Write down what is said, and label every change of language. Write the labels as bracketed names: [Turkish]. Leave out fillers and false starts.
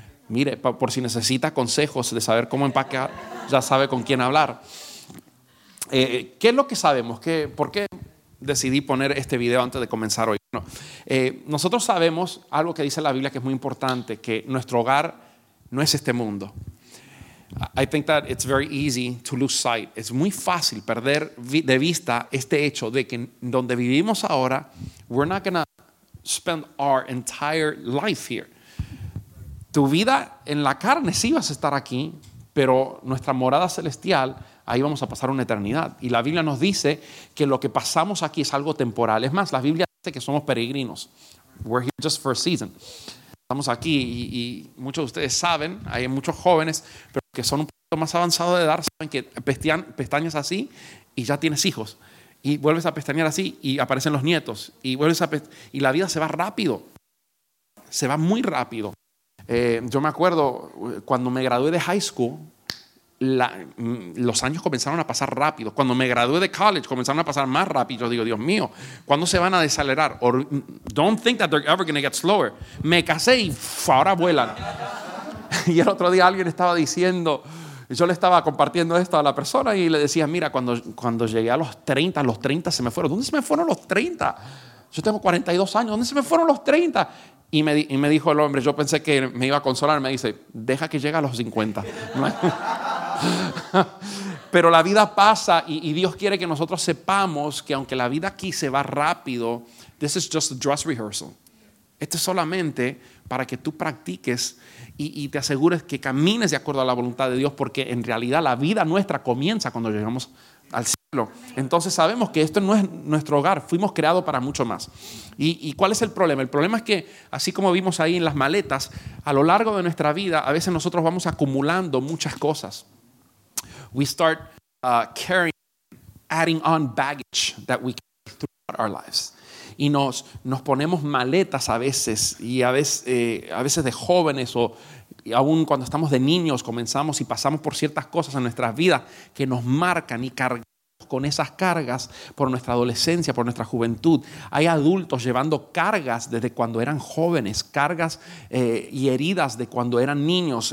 [Spanish] Mire, por si necesita consejos de saber cómo empacar, ya sabe con quién hablar. ¿Qué es lo que sabemos? ¿Por qué decidí poner este video antes de comenzar hoy? Bueno, nosotros sabemos algo que dice la Biblia que es muy importante, que nuestro hogar no es este mundo. [English] I think that it's very easy to lose sight. [Spanish] Es muy fácil perder de vista este hecho de que donde vivimos ahora, [English] we're not going to spend our entire life here. [Spanish] Tu vida en la carne sí vas a estar aquí, pero nuestra morada celestial, ahí vamos a pasar una eternidad. Y la Biblia nos dice que lo que pasamos aquí es algo temporal. Es más, la Biblia dice que somos peregrinos. [English] We're here just for a season. [Spanish] Estamos aquí y muchos de ustedes saben, hay muchos jóvenes, pero que son un poquito más avanzados de edad, saben que pestañas así y ya tienes hijos. Y vuelves a pestañear así y aparecen los nietos. Y vuelves a y la vida se va rápido. Se va muy rápido. Yo me acuerdo cuando me gradué de high school, los años comenzaron a pasar rápido. Cuando me gradué de college, comenzaron a pasar más rápido. Yo digo, Dios mío, ¿cuándo se van a desacelerar? [English] Don't think that they're ever going to get slower. [Spanish] Me casé y ahora vuelan. Y el otro día alguien estaba diciendo, yo le estaba compartiendo esto a la persona y le decía, mira, cuando llegué a los 30 se me fueron. ¿Dónde se me fueron los 30? Yo tengo 42 años, ¿dónde se me fueron los 30? Y me dijo el hombre, yo pensé que me iba a consolar, me dice, deja que llegue a los 50. Pero la vida pasa y Dios quiere que nosotros sepamos que aunque la vida aquí se va rápido, [English] this is just a dress rehearsal. [Spanish] Esto es solamente para que tú practiques y te asegures que camines de acuerdo a la voluntad de Dios, porque en realidad la vida nuestra comienza cuando llegamos al cielo. Entonces sabemos que esto no es nuestro hogar, fuimos creados para mucho más. ¿Y cuál es el problema? El problema es que, así como vimos ahí en las maletas, a lo largo de nuestra vida, a veces nosotros vamos acumulando muchas cosas. [English] We start carrying, adding on baggage that we carry throughout our lives. [Spanish] Y nos ponemos maletas a veces, y a veces de jóvenes o aún cuando estamos de niños comenzamos y pasamos por ciertas cosas en nuestras vidas que nos marcan y cargamos con esas cargas por nuestra adolescencia, por nuestra juventud. Hay adultos llevando cargas desde cuando eran jóvenes, cargas y heridas de cuando eran niños.